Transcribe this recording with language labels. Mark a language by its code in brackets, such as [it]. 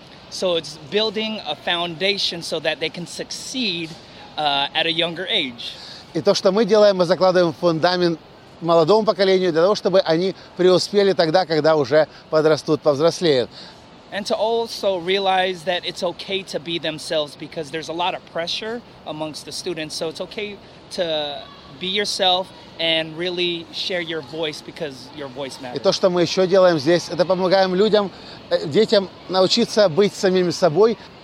[en] So it's building a foundation so that they can succeed at a younger age. [ru] И то, что мы делаем, мы закладываем фундамент молодому поколению для того, чтобы они преуспели тогда, когда уже подрастут, повзрослеют. [en] And to also realize that it's okay to be themselves because there's a lot of pressure amongst the students. So it's okay to be yourself and really share your voice because your voice matters. [ru] И то, что мы еще делаем здесь, это помогаем людям, детям научиться быть самими собой.